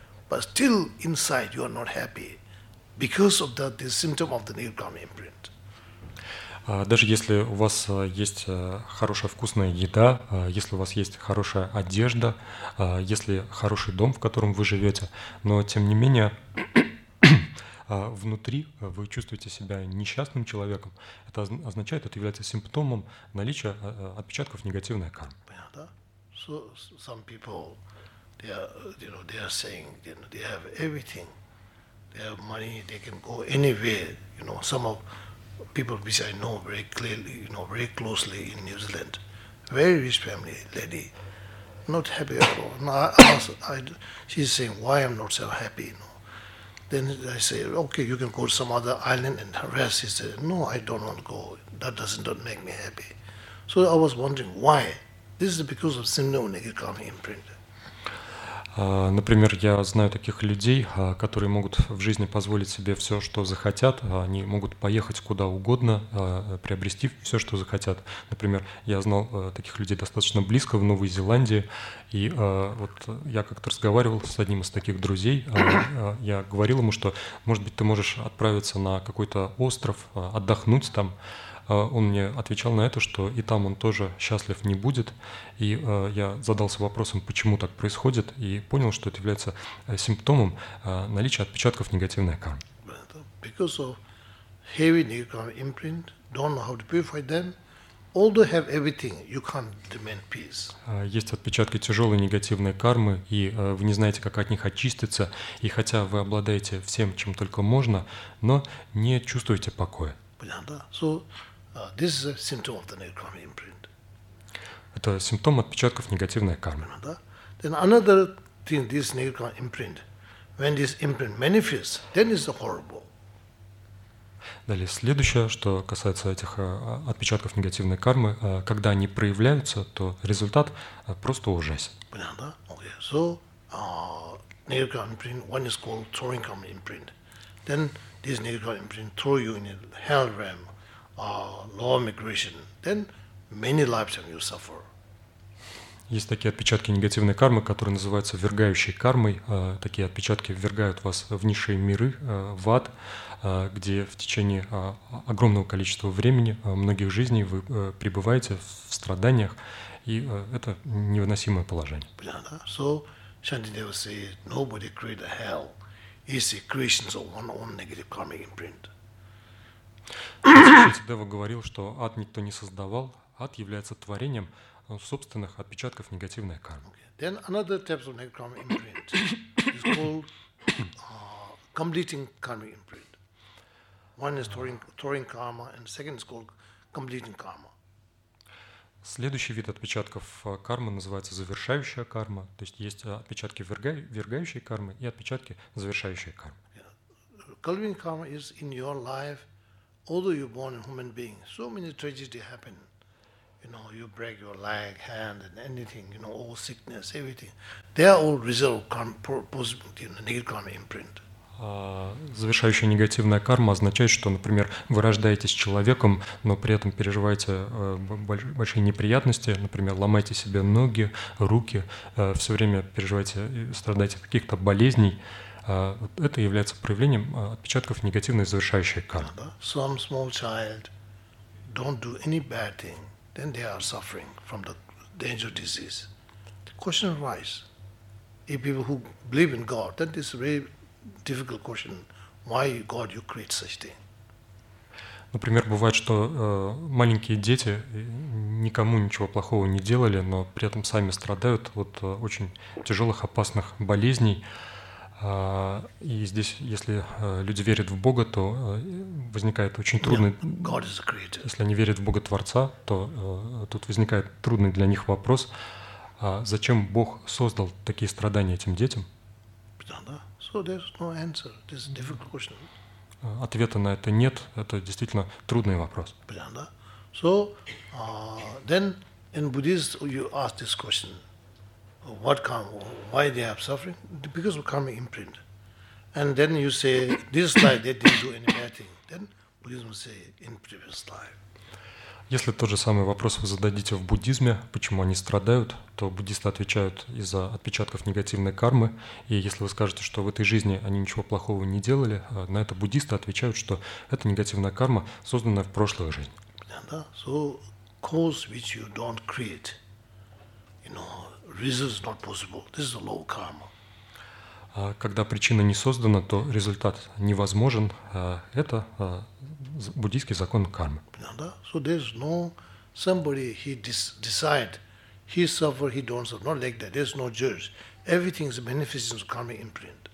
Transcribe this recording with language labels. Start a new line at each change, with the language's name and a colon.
English: But still inside you are not happy because of that the symptom of the negative karma imprint.
Russian: Даже если у вас есть хорошая вкусная еда, если у вас есть хорошая одежда, если хороший дом, в котором вы живете, но тем не менее внутри вы чувствуете себя несчастным человеком. Это означает, это является симптомом наличия отпечатков негативной кармы. Понятно?
English: So some people they are, you know, they are saying, you know, they have everything. They have money. They can go anywhere. You know, some of people which I know very clearly, you know, very closely in New Zealand, very rich family lady, not happy at all. And she's saying, why I'm not so happy? You know? Then I say, okay, you can go to some other island and rest. She said, no, I don't want to go. That doesn't make me happy. So I was wondering why. This is because of symptom of negative karma imprint.
Russian: Например, я знаю таких людей, которые могут в жизни позволить себе все, что захотят. Они могут поехать куда угодно, приобрести все, что захотят. Например, я знал таких людей достаточно близко в Новой Зеландии. И вот я как-то разговаривал с одним из таких друзей. Я говорил ему, что, может быть, ты можешь отправиться на какой-то остров, отдохнуть там. Он мне отвечал на это, что и там он тоже счастлив не будет. И я задался вопросом, почему так происходит, и понял, что это является симптомом наличия отпечатков негативной кармы.
English: Because of heavy negative karma imprint, don't know how to purify them. Although have everything, you can't demand peace.
Russian: Есть отпечатки тяжелой негативной кармы, и вы не знаете, как от них очиститься. И хотя вы обладаете всем, чем только можно, но не чувствуете покоя. Понятно?
English: So, this is a symptom of the negative karma imprint.
Russian: Это симптом отпечатков негативной кармы. Понятно?
English: Then another thing, this negative karma imprint, when this imprint manifests, then it's horrible.
Russian: Далее, следующее, что касается этих отпечатков негативной кармы, когда они проявляются, то результат просто ужасен. Понятно?
English: Okay. So, negative karma imprint, one is called throwing karma imprint. Then this negative karma imprint throw you in a hell realm, low migration. Then many lifetimes you suffer.
Russian: Есть такие отпечатки негативной кармы, которые называются ввергающей кармой. Такие отпечатки ввергают вас в низшие миры, в ад, где в течение огромного количества времени, многих жизней вы пребываете в страданиях, и это невыносимое положение. Понятно?
English: So, Shantideva say, nobody create a hell. Is the creations of one own negative karma imprint.
Russian: Шантидева говорил, что ад никто не создавал, ад является творением собственных отпечатков негативной кармы.
English: Okay. Then another type of negative karma imprint is called completing karma imprint. One is throwing karma, and second is called completing karma.
Russian: Следующий вид отпечатков кармы называется завершающая карма. То есть есть отпечатки ввергающей кармы и отпечатки завершающей кармы.
English: Completing karma is in your life, although you're born a human being, so many tragedies happen. You know, you break your leg, hand, and anything, you know, all sickness, everything. They are all result of negative karma imprint.
Russian: завершающая негативная карма означает, что, например, вы рождаетесь человеком, но при этом переживаете большие неприятности, например, ломаете себе ноги, руки, все время переживаете и страдаете от каких-то болезней. Вот это является проявлением отпечатков негативной завершающей кармы.
English: Some small child don't do any bad thing, then they are suffering from the danger disease. The question arises: if people who believe in God, then this very difficult question: why God you create such thing?
Russian: Например, бывает, что маленькие дети никому ничего плохого не делали, но при этом сами страдают от очень тяжелых опасных болезней. И здесь, если люди верят в Бога, то возникает очень трудный...
English: Yeah, God is a creator.
Russian: Если они верят в Бога-творца, то тут возникает трудный для них вопрос, зачем Бог создал такие страдания этим детям?
English: So there's no answer. This is a difficult question.
Russian: Ответа на это нет. Это действительно трудный вопрос.
English: So then in Buddhism you ask this question. What karma? Why they are suffering? Because of karma imprint. And then you say, this life they didn't do any bad thing. Then Buddhism will say, in previous life.
Russian: Если тот же самый вопрос вы зададите в буддизме, почему они страдают, то буддисты отвечают из-за отпечатков негативной кармы. И если вы скажете, что в этой жизни они ничего плохого не делали, на это буддисты отвечают, что это негативная карма, созданная в прошлой жизни.
English: So, cause which you don't create, you know, results not possible. This is a low karma.
Russian: Когда причина не создана, то результат невозможен. Это буддийский закон кармы.
English: So there's no somebody he decide he suffer he don't suffer. Not like that. There's no judge. Everything is beneficence of karma imprint.